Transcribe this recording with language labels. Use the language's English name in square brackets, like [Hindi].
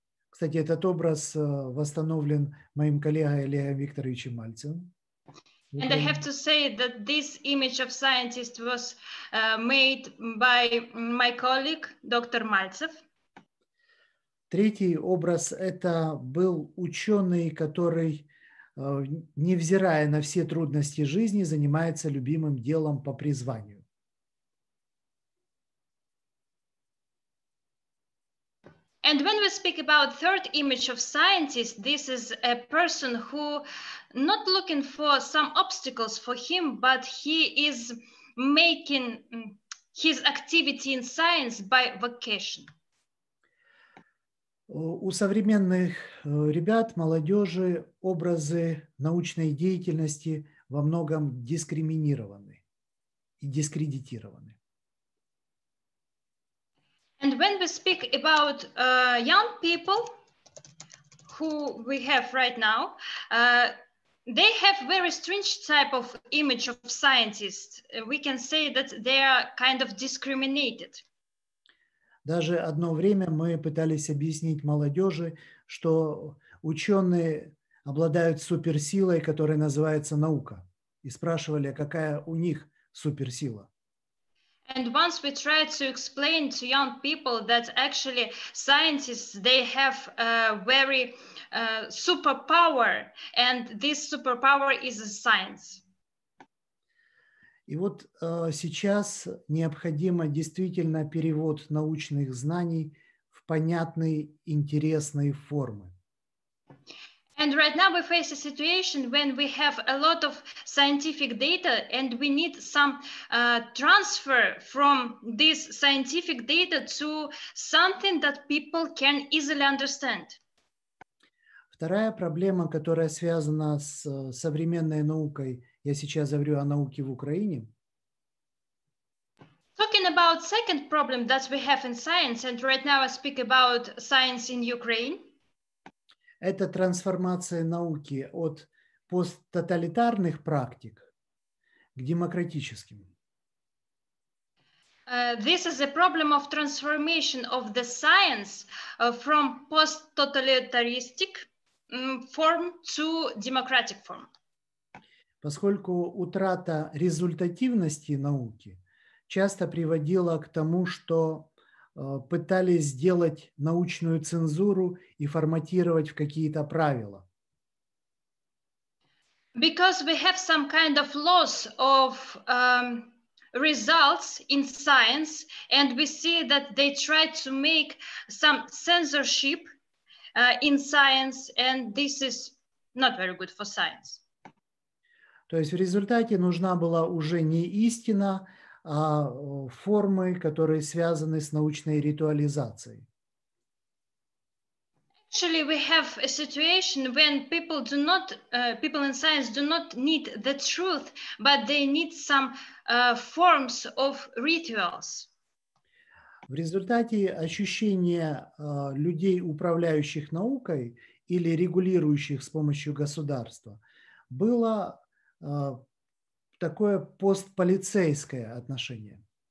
[Russian] Кстати, этот образ восстановлен моим коллегой Олегом Викторовичем Мальцевым. [English] And I have to say that this image of scientist was made by my colleague, Dr. [Russian] Мальцев. Третий образ – это был ученый, который, невзирая на все трудности жизни, занимается любимым делом по призванию. [English] And when we speak about third image of scientist, this is a person who not looking for some obstacles for him, but he is making his activity in science by vocation. [Russian] У современных ребят, молодежи, образы научной деятельности во многом дискриминированы и дискредитированы. [English] And when we speak about young people who we have right now, they have very strange type of image of scientists. We can say that they are kind of discriminated. [Russian] Даже одно время мы пытались объяснить молодежи, что ученые обладают суперсилой, которая называется наука, и спрашивали, какая у них суперсила. [English] And once we tried to explain to young people that actually scientists, they have a very superpower, and this superpower is a science. [Russian] И вот сейчас необходимо действительно перевод научных знаний в понятные, интересные формы. [English] And right now we face a situation when we have a lot of scientific data and we need some transfer from this scientific data to something that people can easily understand. [Russian] Вторая проблема, которая связана с современной наукой, я сейчас говорю о науке в Украине. [English] Talking about second problem that we have in science, and right now I speak about science in Ukraine. [Russian] Это трансформация науки от посттоталитарных практик к демократическим. [English] This is a problem of transformation of the science from post-totalitaristic form to democratic form. [Russian] Поскольку утрата результативности науки часто приводила к тому, что пытались сделать научную цензуру и форматировать в какие-то правила. [English] Because we have some kind of loss of results in science, and we see that they try to make some censorship in science, and this is not very good for science. [Russian] То есть в результате нужна была уже не истина, а формы, которые связаны с научной ритуализацией. [English] Actually, we have a situation when people do not, people in science do not need the truth, but they need some forms of rituals. [Russian] В результате ощущение людей, управляющих наукой или регулирующих с помощью государства, было такое постполицейское отношение.